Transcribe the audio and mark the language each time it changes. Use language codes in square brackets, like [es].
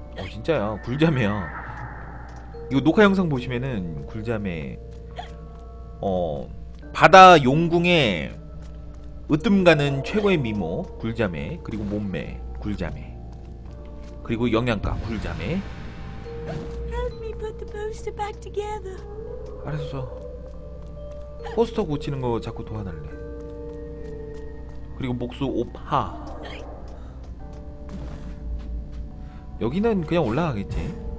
[ko] 진짜야, 굴잠이야. 이거 녹화 영상 보시면은 굴잠의 바다 용궁의 으뜸가는 최고의 미모 굴잠의, 그리고 몸매 굴잠의, 그리고 영양가 굴잠의. [en] Help me put the poster back together. [ko] 알았어. 포스터 고치는 거 자꾸 도와달래. 그리고 목수 오파. 여기는 그냥 올라가겠지.